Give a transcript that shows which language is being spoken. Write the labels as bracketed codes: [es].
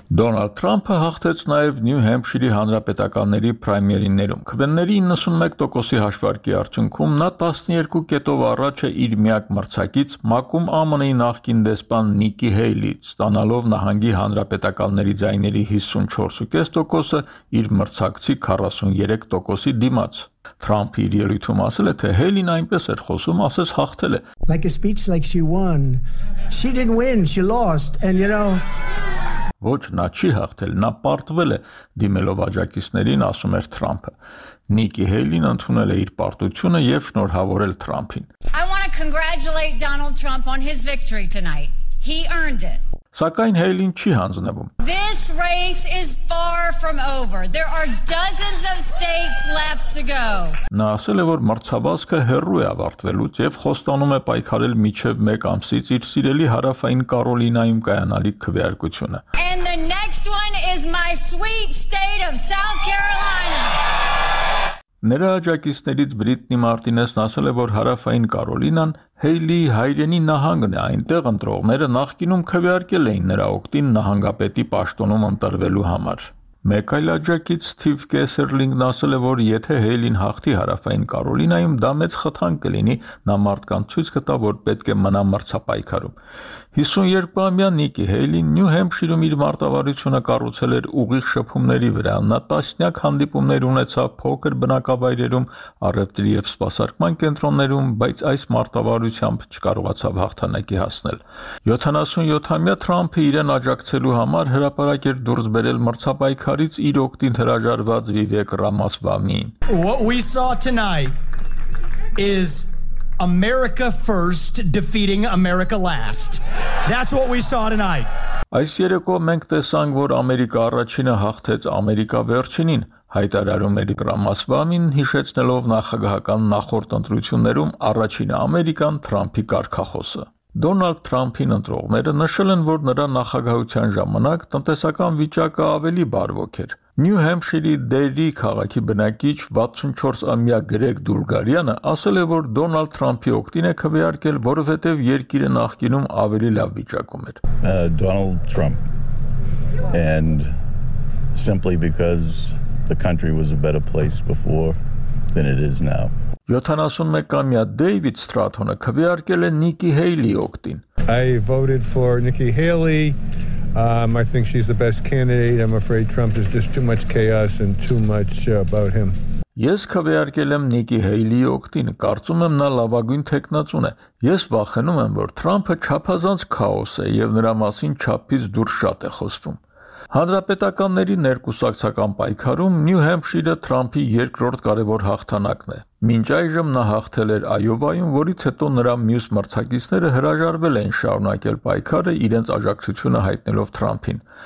[hy] Դոնալդ Թրամփը հաղթեց նաև Նյու Հեմփշիրի հանրապետականների պրայմերիներում։ Քվեների 91% հաշվարկի արդյունքում նա 12 կետով առաջ է իր միակ մրցակից՝ Մակում ԱՄՆ-ի նախկին դեսպան Նիկի Հեյլից, ստանալով նահանգի հանրապետականների ձայների 54.5%-ը իր մրցակցի 43%-ի դիմաց։ Թրամփը իր ելույթում ասել է, թե Հելին այնպես էր խոսում, ասես հաղթել է։ [en] Like a speech like she won. She didn't win, she lost, and you know. [hy] Ոչ, նա չի հաղթել, նա պարտվել է, դիմելով աջակիցներին, ասում էր Թրամփը։ Նիկի Հեյլին ընդունել է իր պարտությունը և շնորհավորել Թրամփին։ [en] I want to congratulate Donald Trump on his victory tonight. He earned it. [hy] Սակայն Հեյլին չի հանձնվում։ [en] This race is far from over. There are dozens of states left to go. [hy] Նա ասել է, որ մրցավազքը հեռու է ավարտվելուց և խոստանում է պայքարել մինչև մեկ ամսից իր սիրելի հարավային Կարոլինայում կայանալիք քվեարկությունը։ [en] And the next one is my sweet state of South Carolina. [hy] Նրա աջակիցներից Բրիտնի Մարտինեսն ասել է, որ հարավային Կարոլինան Հեյլի հայրենի նահանգն է, այնտեղ ընտրողները նախկինում քվեարկել էին նրա օգտին նահանգապետի պաշտոնում ընտրվելու համար։ Մեկ այլ աջակից Սթիվ Կեսերլինգն ասել է, որ եթե Հեյլին հաղթի հարավային Կարոլինայում, դա մեծ խթան կլինի, նա մարդկանց ցույց կտա, որ պետք է մնա մրցապայքարում։ 52-ամյա Նիկի Հեյլին Նյու Հեմփշիրում իր մարտավարությունը կառուցել էր ուղիղ շփումների վրա, նա տասնյակ հանդիպումներ ունեցավ փոքր բնակավայրերում, առևտրի և սպասարկման կենտրոններում, բայց այս մարտավարությամբ չկարողացավ հաղթանակի հասնել։ 77-ամյա Թրամփը իրեն աջակցելու համար հրապարակ էր դուրս բերել մրցապայքարից իր օգտին հրաժարված Վիվեկ Ռամասվամին։ [en] What we saw tonight is America first, defeating America last. That's what we saw tonight. [hy] Այս երեկո մենք տեսանք, որ Ամերիկա առաջինը հաղթեց Ամերիկա վերջինին, հայտարարում էր Ռամասվամին, հիշեցնելով նախագահական նախորդ ընտրություններում առաջին Ամերիկան Թրամփի կարգախոսը։ Դոնալդ Թրամփին ընտրողները նշել են, որ նրա նախագահության ժամանակ տնտեսական վիճակը ավելի բարվոք էր։ Նյու Հեմփշիրի Դերի քաղաքի բնակիչ 64-ամյա Գրեգ Դուրգարյանը ասել է, որ Դոնալդ Թրամփի օգտին է քվեարկել, որովհետև երկիրը նախկինում ավելի լավ վիճակում էր։ [en] Donald Trump and simply because the country was a better place before than it is now. [hy] 71-ամյա Դեյվիդ Սթրաթոնը քվեարկել է Նիկի Հեյլի օգտին։ [en] I voted for Nikki Haley. I think she's the best candidate. I'm afraid Trump is just too much chaos and too much about him. [hy] Ես քվեարկել եմ Նիկի Հեյլի օգտին, կարծում եմ նա լավագույն թեկնածուն է։ Ես վախենում եմ, որ Թրամփը չափազանց քաոս է եւ նրա մասին չափից դուրս շատ է խոսվում։ Հանրապետականների ներկուսակցական պայքարում Նյու Հեմփշիրը Թրամփի երկրորդ կարևոր հաղթանակն է։ Մինչ այժմ նա հաղթել էր Այովայում, որից հետո նրա մյուս մրցակիցները հրաժարվել են շարունակել պայքարը, իրենց աջակցությունը հայտնելով Թրամփին։